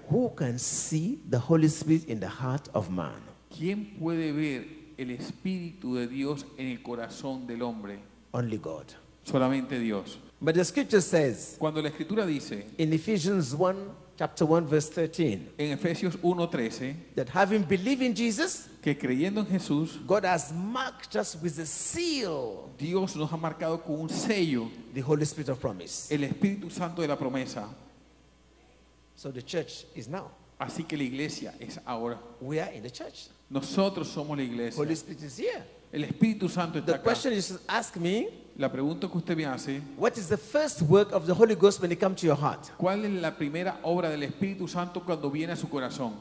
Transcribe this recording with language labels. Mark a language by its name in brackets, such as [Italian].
[English] Who can see the Holy Spirit in the heart of man? [Spanish] ¿Quién puede ver el Espíritu de Dios en el corazón del hombre. [English] Only God. [Spanish] Solamente Dios. [English] But the scripture says, [Spanish] cuando la escritura dice, [English] in Ephesians 1, chapter 1, verse 13, [Spanish] en Efesios 1:13, [English] that having believed in Jesus, [Spanish] que creyendo en Jesús, [English] God has marked us with a seal, [Spanish] Dios nos ha marcado con un sello, [English] the Holy Spirit of promise, [Spanish] el Espíritu Santo de la promesa. [English] So the church is now. [Spanish] Así que la iglesia es ahora. [English] We are in the church. [Spanish] Nosotros somos la iglesia. [English] Holy Spirit is here. [Spanish] El Espíritu Santo está [English] the [Spanish] acá. [English] Question is ask me. [Spanish] La pregunta que usted me hace, [English] what is the first work of the Holy Ghost when it comes to your heart? [Spanish] ¿Cuál es la primera obra del Espíritu Santo cuando viene a su corazón?